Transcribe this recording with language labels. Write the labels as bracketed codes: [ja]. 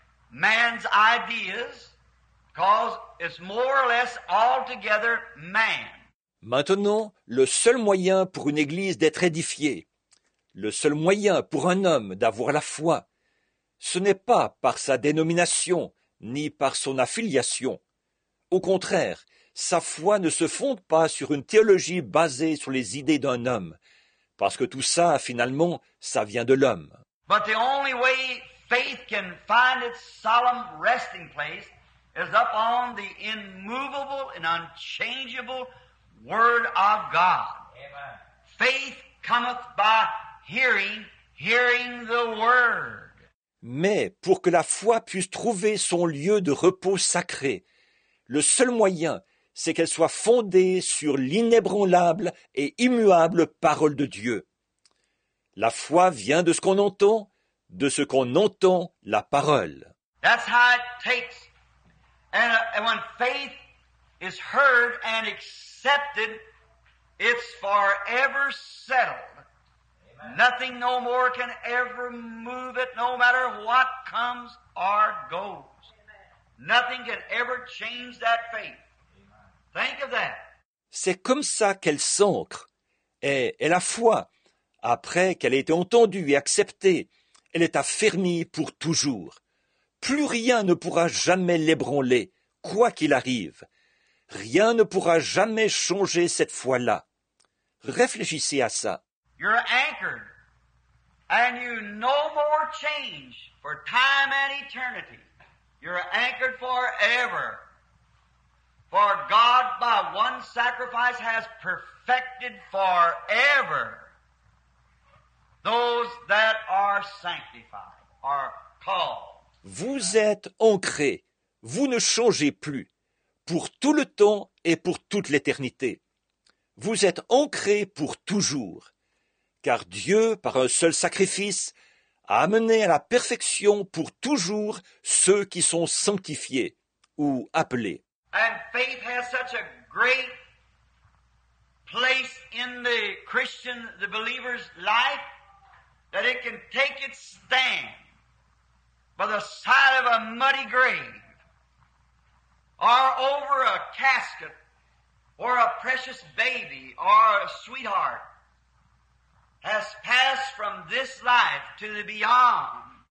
[en] man's ideas, because it's more or less altogether man. [fr] Maintenant, le seul moyen pour une église d'être édifiée, le seul moyen pour un homme d'avoir la foi, ce n'est pas par sa dénomination ni par son affiliation. Au contraire, sa foi ne se fonde pas sur une théologie basée sur les idées d'un homme, parce que tout ça, finalement, ça vient de l'homme. [en] But the only way faith can find its solemn resting place is up on the immovable and unchangeable Word of God. Amen. Faith cometh by hearing, hearing the Word. [fr] Mais pour que la foi puisse trouver son lieu de repos sacré, le seul moyen, c'est qu'elle soit fondée sur l'inébranlable et immuable parole de Dieu. La foi vient de ce qu'on entend, de ce qu'on entend la parole. [en] That's how it takes. And when faith is heard and accepted, it's forever settled. Amen. Nothing no more can ever move it, no matter what comes or goes. Amen. Nothing can ever change that faith. Amen. Think of that. [fr] C'est comme ça qu'elle s'ancre. Et la foi, après qu'elle ait été entendue et acceptée, elle est affermie pour toujours. Plus rien ne pourra jamais l'ébranler, quoi qu'il arrive. Rien ne pourra jamais changer cette foi-là. Réfléchissez à ça. [en] You're anchored, and you no more change for time and eternity. You're anchored forever. For God, by one sacrifice, has perfected forever those that are sanctified, are called. [fr] Vous êtes ancré. Vous ne changez plus. Pour tout le temps et pour toute l'éternité. Vous êtes ancrés pour toujours, car Dieu, par un seul sacrifice, a amené à la perfection pour toujours ceux qui sont sanctifiés ou appelés. [en] And faith has such a great place in the Christian, the believer's life, that it can take its stand by the side of a muddy grave. Or over a casket, or a precious baby, or a sweetheart, has passed from this life to the beyond.